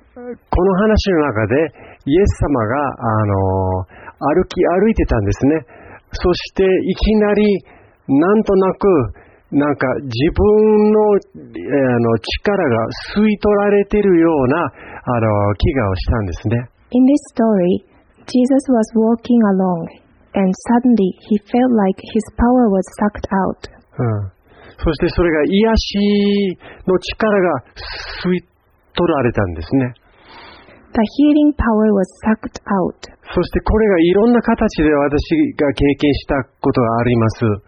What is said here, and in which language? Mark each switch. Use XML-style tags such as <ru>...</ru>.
<ja>この話の中でイエス様が歩いてたんですね。そしていきなりなんとなく、なんか自分の、力が吸い取られているような気がしたんですね。</ja> <en>In this story, Jesus was walking along, and suddenly he felt like his power was sucked out.、</en> <ja>うん、そしてそれが癒しの力が吸い取られたんですね。</ja> <en>The healing power was sucked out.</en> <ja>そしてこれがいろんな形で私が経験したことがあります。</ja>